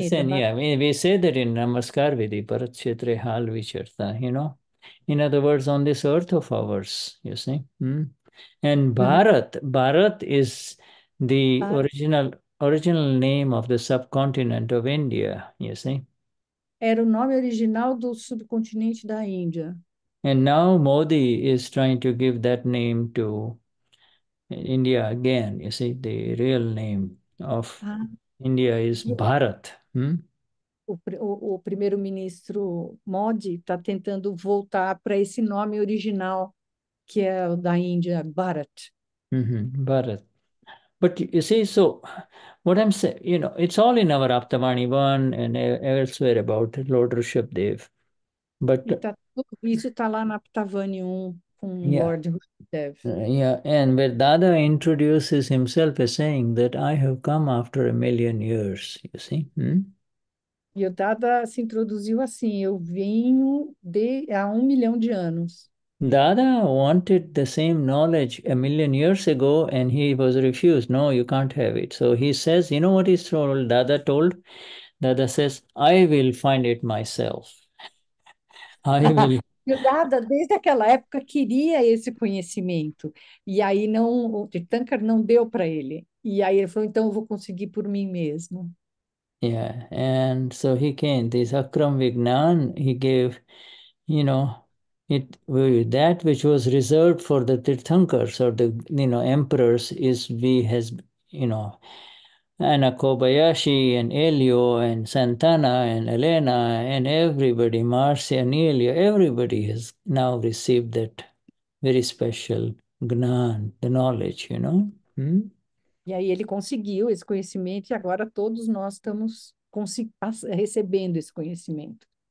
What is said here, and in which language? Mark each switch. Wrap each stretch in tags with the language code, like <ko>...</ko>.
<en>Listen, yeah, we say that in Namaskar Vidhi, Bharat Kshetra Hal Vicharta, you know? In other words, on this earth of ours, you see? And Bharat is the original name of the subcontinent of India, you see?</en> <pt>Era o nome original do subcontinente da Índia.</pt> <en>And now Modi is trying to give that name to India again, you see? The real name of India is Bharat.</en> <pt>O primeiro-ministro Modi está tentando voltar para esse nome original, que é o da Índia, Bharat. Bharat.</pt> <en>But you see, so what I'm saying, you know, it's all in our Aptavani 1 and elsewhere about Lord Rushabdev. But</en> <pt>isso está lá na Aptavani 1 com Lord Rushabdev.</pt> <en>Yeah, and where Dada introduces himself as saying that I have come after 1 million years, you see.</en> <pt>E o Dada se introduziu assim, eu venho de há 1 milhão de anos.</pt> <en>Dada wanted the same knowledge 1 million years ago, and he was refused. No, you can't have it. So he says, you know what he told? Dada told. Dada says, I will find it myself. I will.</en> <pt>E o Dada, desde aquela época, queria esse conhecimento. E aí não, o Tirthankar não deu para ele. E aí ele falou, então eu vou conseguir por mim mesmo.</pt> <en>Yeah, and so he came. This Akram Vignan, he gave, you know, it that which was reserved for the Tirthankars or the, you know, emperors is we has, you know, Anna Kobayashi and Elio and Santana and Elena and everybody, Marcia and Elio, everybody has now received that very special Gnan, the knowledge, you know.</en> <pt>E aí ele conseguiu esse conhecimento e agora todos nós estamos recebendo esse conhecimento.</pt>